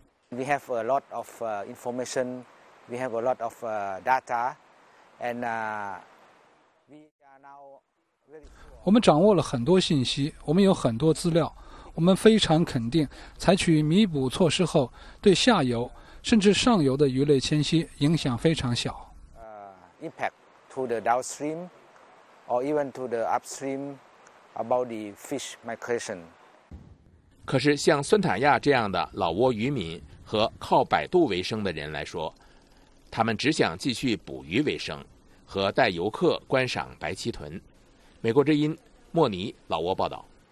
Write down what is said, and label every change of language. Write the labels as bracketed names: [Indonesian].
[English] We have a lot of information, we have a lot of data, and we are now very. [Chinese] 我们掌握了很多信息，我们有很多资料，我们非常肯定，采取弥补措施后，对下游甚至上游的鱼类迁徙影响非常小。 [English] Impact to the downstream, or even to the upstream. About the fish migration. [Chinese] 可是像孙塔亚这样的老挝渔民和靠摆渡为生的人来说，他们只想继续捕鱼为生和带游客观赏白鳍豚。美国之音莫尼老挝报道。